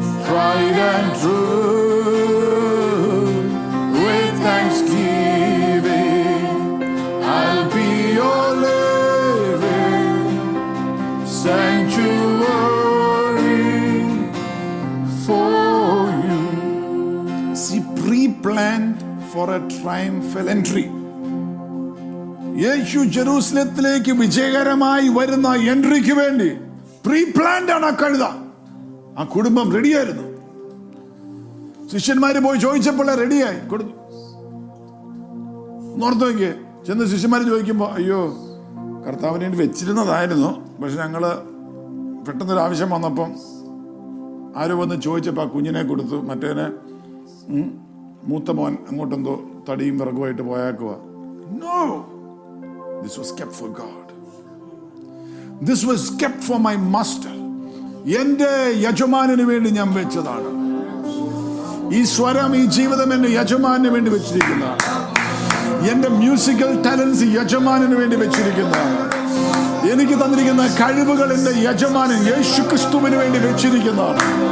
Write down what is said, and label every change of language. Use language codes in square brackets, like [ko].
[en] Right and true, with thanksgiving, I'll be your living sanctuary for you. See, pre-planned for a triumphal entry. [ml] യേശു ജെറുസലേത്തിലേക്ക് വിജയകരമായി വരുന്ന എൻട്രിക്ക് വേണ്ടി പ്രീപ്ലാൻഡ് ആണ് ആ കഴുത. ആ കുടുംബം റെഡിയായിരുന്നു. ശിഷ്യന്മാര് പോയി ചോദിച്ചപ്പോൾ റെഡിയായി കൊടുത്തു. നോർത്ത് നോക്കിയേ, ചെന്ന് ശിഷ്യന്മാര് ചോദിക്കുമ്പോ, അയ്യോ കർത്താവിന് വേണ്ടി വെച്ചിരുന്നതായിരുന്നു, പക്ഷെ ഞങ്ങള് പെട്ടെന്നൊരു ആവശ്യം വന്നപ്പം ആരോ വന്ന് ചോദിച്ചപ്പോ ആ കുഞ്ഞിനെ കൊടുത്തു, മറ്റേനെ മൂത്ത മോൻ അങ്ങോട്ടെന്തോ തടിയും വിറകുമായിട്ട് പോയാക്കുക. [en] This was kept for God, this was kept for my master. [ml] എന്റെ യജമാനന് വേണ്ടി ഞാൻ വെച്ചതാണ് ഈ സ്വരം, ഈ ജീവിതം എന്റെ യജമാനന് വേണ്ടി വെച്ചിരിക്കുന്നതാണ്. എന്റെ മ്യൂസിക്കൽ ടാലൻസ് യജമാനന് വേണ്ടി വെച്ചിരിക്കുന്നതാണ്. എനിക്ക് തന്നിരിക്കുന്ന കഴിവുകൾ എന്റെ യജമാനൻ യേശു ക്രിസ്തുവിന് വേണ്ടി വെച്ചിരിക്കുന്നതാണ്.